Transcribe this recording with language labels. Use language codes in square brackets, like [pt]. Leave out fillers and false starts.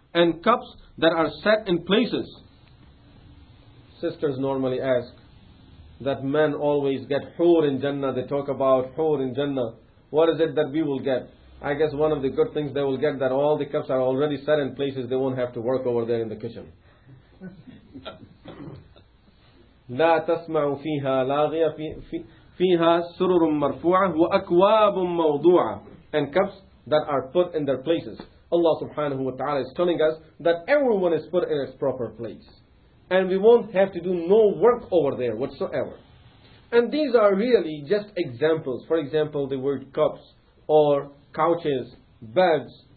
[en] And cups that are set in places. Sisters normally ask that men always get hoor in Jannah. They talk about hoor in Jannah. What is it that we will get? I guess one of the good things they will get, that all the cups are already set in places. They won't have to work over there in the kitchen. [ar] لا تسمع فيها لاغية فيها سرر مرفوعة وأكواب موضوعة. [en] And cups that are put in their places. Allah subhanahu wa ta'ala is telling us that everyone is put in its proper place. And we won't have to do no work over there whatsoever. And these are really just examples. For example, the word cups or couches, beds.